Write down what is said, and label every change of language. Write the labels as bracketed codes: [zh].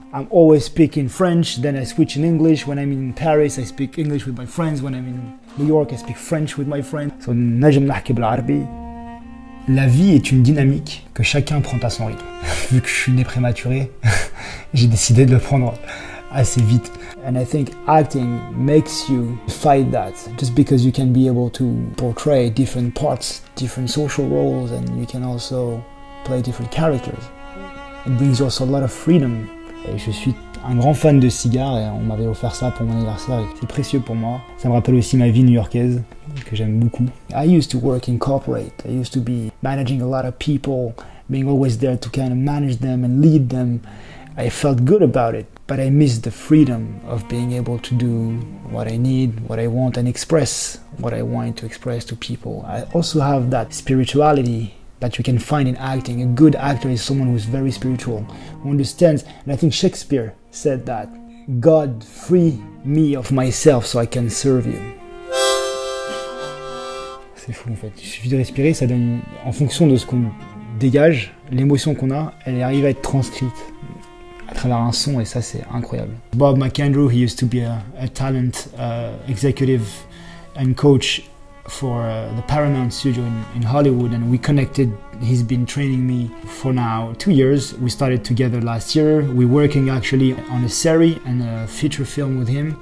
[en] I'm always speaking French, then I switch in English. When I'm in Paris, I speak English with my friends. When I'm in New York, I speak French with my friends. [ar] So, najem nahki bel arabi. [fr] La vie est une dynamique que chacun prend à son rythme. Vu que je suis né prématuré, j'ai décidé de le prendre assez vite. [en] And I think acting makes you fight that, just because you can be able to portray different parts, different social roles, and you can also play different characters. It brings you also a lot of freedom. [fr] Et je suis un grand fan de cigares et on m'avait offert ça pour mon anniversaire. C'est précieux pour moi. Ça me rappelle aussi ma vie new-yorkaise que j'aime beaucoup. [en] I used to work in corporate. I used to be managing a lot of people, being always there to kind of manage them and lead them. I felt good about it, but I missed the freedom of being able to do what I need, what I want, and express what I want to express to people. I also have that spirituality that you can find in acting. A good actor is someone who is very spiritual, who understands, and I think Shakespeare said that, God, free me of myself so I can serve you. [fr] C'est fou en fait. Il suffit de respirer, ça donne, en fonction de ce qu'on dégage, l'émotion qu'on a, elle arrive à être transcrite à travers un son, et ça c'est incroyable. [en] Bob McAndrew, he used to be a talent executive and coach for the Paramount studio in Hollywood, and we connected. He's been training me for now 2 years. We started together last year. We're working actually on a series and a feature film with him.